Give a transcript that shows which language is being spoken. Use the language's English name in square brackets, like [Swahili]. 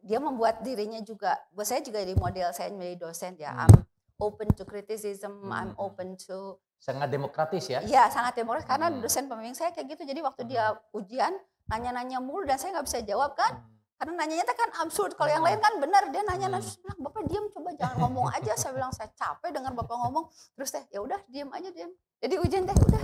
[Indonesian] Dia membuat dirinya juga, buat saya juga jadi model, saya menjadi dosen ya. [English] I'm open to criticism, I'm open to... [Indonesian] Sangat demokratis ya? Iya, sangat demokratis. Karena dosen pembimbing saya kayak gitu. Jadi waktu dia ujian, nanya-nanya mulu dan saya gak bisa jawab kan. Karena nanyanya kan absurd. Kalau yang lain kan benar. Dia nanya-nanya, "Nah, Bapak diam, coba jangan ngomong aja." Saya bilang, "Saya capek dengar Bapak ngomong." Terus teh, "Yaudah, diam aja, diam." Jadi ujian teh, udah.